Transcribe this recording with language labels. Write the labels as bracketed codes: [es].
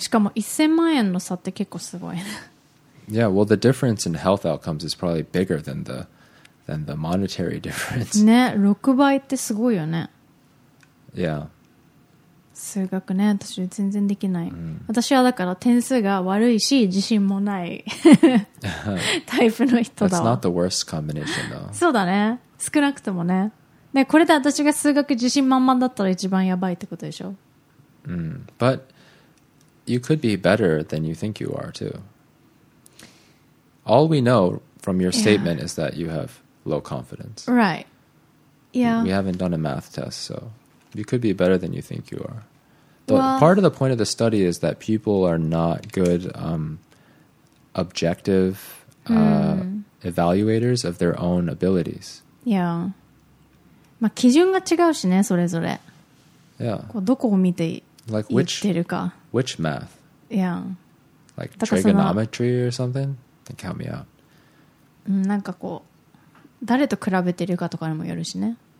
[ja] しかも1000万円の差って結構すごい。 [en] Yeah, well, the difference in health outcomes is probably bigger than the monetary difference. [ja] ね、6倍ってすごいよね。 [en] Yeah. [ja] 数学ね、私全然できない。私はだから点数が悪いし自信もないタイプの人だわ。 [en] That's not the worst combination, though. [ja] そうだね、少なくともね。ね、これで私が数学自信満々だったら一番やばいってことでしょ。 [en] But you could be better than you think you are too. All we know from your statement is that you have low confidence. Right. Yeah. We haven't done a math test, so. You could be better than you think you are. But well, part of the point of the study is that people are not good objective evaluators of their own abilities. Yeah. [ja] まあ基準が違うしね、それぞれ。 [en] Yeah. [ja] こうどこを見て言ってるか。 [en] Like which math? Yeah. Like trigonometry or something? Then count me out. [ja] なんかこう、誰と比べてるかとかにもよるしね。